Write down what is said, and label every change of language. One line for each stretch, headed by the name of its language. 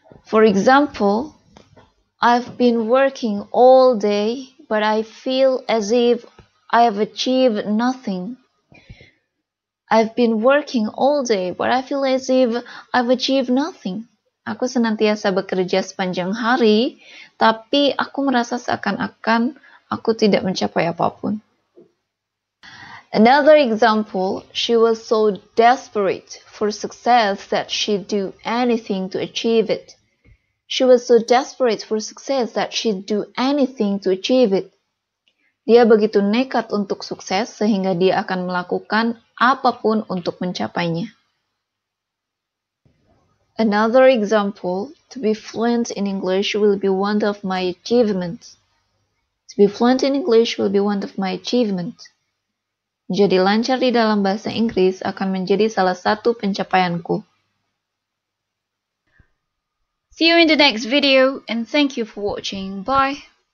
English: For example, I've been working all day, but I feel as if I've achieved nothing. I've been working all day, but I feel as if I've achieved nothing.
Indonesian: Aku senantiasa bekerja sepanjang hari, tapi aku merasa seakan-akan aku tidak mencapai apapun.
English: Another example, she was so desperate for success that she'd do anything to achieve it. She was so desperate for success that she'd do anything to achieve it.
Indonesian: Dia begitu nekat untuk sukses sehingga dia akan melakukan apapun untuk mencapainya.
English: Another example, to be fluent in English will be one of my achievements. To be fluent in English will be one of my achievements.
Indonesian: Jadi lancar di dalam bahasa Inggris akan menjadi salah satu pencapaianku.
English: See you in the next video and thank you for watching. Bye!